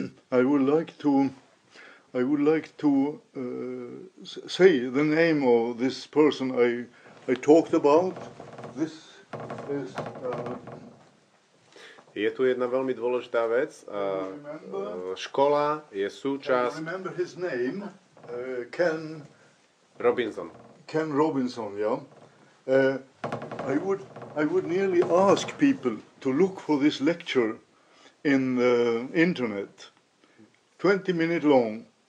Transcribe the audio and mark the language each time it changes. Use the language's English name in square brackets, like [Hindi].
[English] I would like to say the name of this person I talked about. This is [Slovak] je tu jedna veľmi dôležitá vec. Škola je súčasť. [English] Can you remember his name? Ken Robinson. Ken Robinson, yeah. I would nearly ask people to look for this lecture in the internet, 20 minute long.